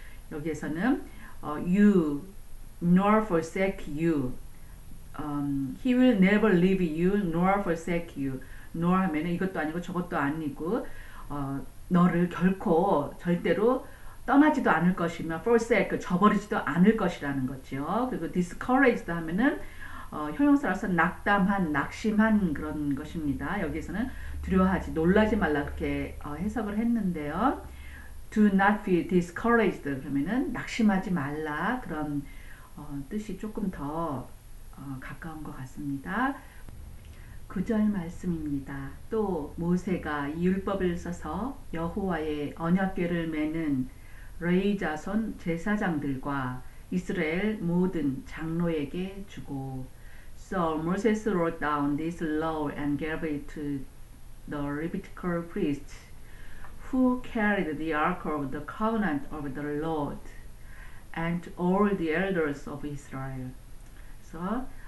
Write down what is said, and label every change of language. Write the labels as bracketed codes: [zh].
[ko] 여기에서는 [en] you nor forsake you. He will never leave you nor forsake you. [ko] nor 하면은 이것도 아니고 저것도 아니고 너를 결코 절대로 떠나지도 않을 것이며 forsake 저버리지도 않을 것이라는 거죠. 그리고 discouraged 하면은 형용사로서 낙담한, 낙심한 그런 것입니다. 여기에서는 두려워하지, 놀라지 말라 그렇게 해석을 했는데요. [en] Do not be discouraged. [ko] 그러면은 낙심하지 말라 그런 뜻이 조금 더 가까운 것 같습니다. 9절 말씀입니다. 또 모세가 율법을 써서 여호와의 언약궤를 매는 레위 자손 제사장들과 이스라엘 모든 장로에게 주고. [en] So Moses wrote down this law and gave it to the Levitical priests who carried the ark of the covenant of the Lord and all the elders of Israel. So